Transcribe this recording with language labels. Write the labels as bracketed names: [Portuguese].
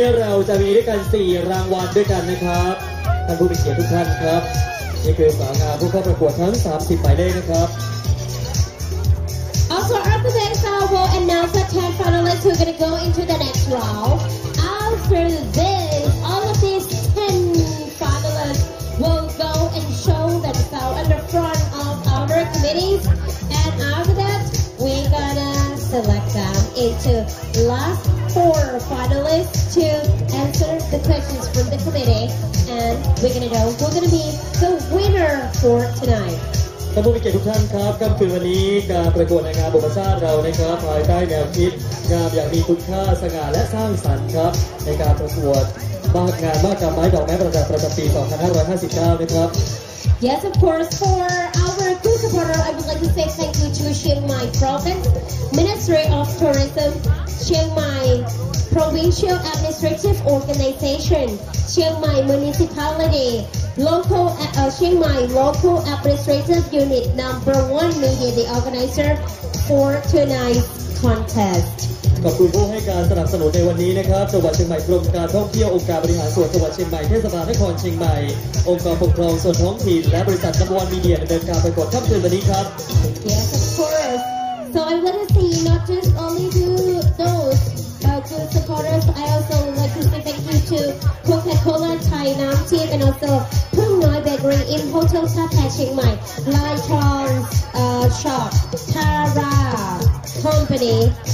[Thai] าจะมีด้วยกัน4รางวัลด้วยกันนะครับท่านผู้มีเกียรติทุกท่านครับนี่คือสาวงามผู้เข้าประกวดทั้ง30หมายเลขนะครับ [English] Also after this I will announce the 10 finalists who are going to go into the next round. After this all of these 10 finalists will go and show themselves in the front of our committees and after that we're gonna select them into last four finalists to answer the questions from the committee and we're gonna know who's gonna be the winner for tonight. [Thai] ท่านผู้มีเกียรติทุกท่านครับก็คือวันนี้การประกวดนางงามบุพชาติเรานะครับภายใต้แนวคิดงามอย่างมีคุณค่าสง่าและสร้างสรรค์ครับในการประกวดมากงานมากกรรมไม้ดอกไม้ประดับประจำปี2559นะครับ [English] Yes of course for our good supporter I would like to say thank you to Chiang Mai Province Ministry of Tourism Chiang Mai Provincial Administrative Organization Chiang Mai MunicipalityChiang Mai Local Administrative Unit Number 1 Media The Organizer for tonight's contest. [Thai] ขอบคุณผู้ให้การสนับสนุนในวันนี้นะครับจังหวัดเชียงใหม่กรมการท่องเที่ยวองค์การบริหารส่วนจังหวัดเชียงใหม่เทศบาลนครเชียงใหม่องค์กรปกครองส่วนท้องถิ่นและบริษัทจำวันมีเดียดำเนินการประกวดครับคืนวันนี้ครับ [English] Yes of course. So I want to see not just only do those good supporters. I also would like to say thank you to Coca-Cola Thai Nam Team and alsoIn Hotel Sapphire Chiang Mai, Lai Chong Shop, Tara Company.